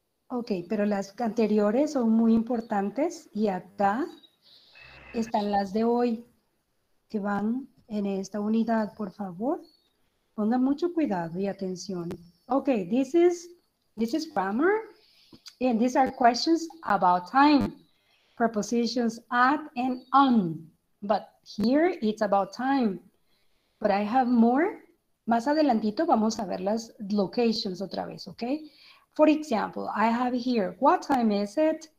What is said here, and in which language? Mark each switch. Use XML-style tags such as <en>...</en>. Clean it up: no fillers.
<es>Ok, pero las anteriores son muy importantes y acá están las de hoy que van en esta unidad. Por favor, ponga mucho cuidado y atención.</es> <en>Ok, this is grammar and these are questions about time. Prepositions at and on. But here it's about time. But I have more</en> <es>Más adelantito vamos a ver las locations otra vez, ¿ok?</es> <en>For example, I have here, what time is it?</en>